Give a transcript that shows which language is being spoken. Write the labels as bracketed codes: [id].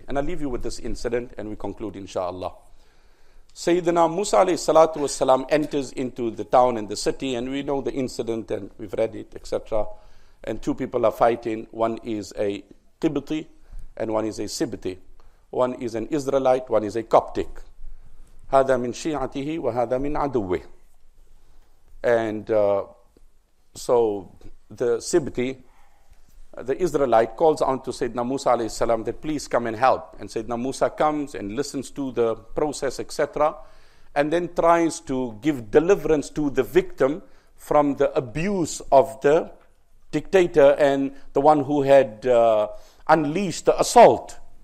[en] And I'll leave you with this incident and we conclude inshallah. Sayyidina Musa alayhi salatu wasalam enters into the town and the city, and we know the incident and we've read it, etc. And two people are fighting. One is a Qibti and one is a Sibti. One is an Israelite, one is a Coptic. [ar] هذا من شيعته وهذا من عدوه. [en] And so the Sibti, the Israelite, calls on to Sayyidina Musa alayhi salam that please come and help. And Sayyidina Musa comes and listens to the process, etc. And then tries to give deliverance to the victim from the abuse of the dictator and the one who had unleashed the assault.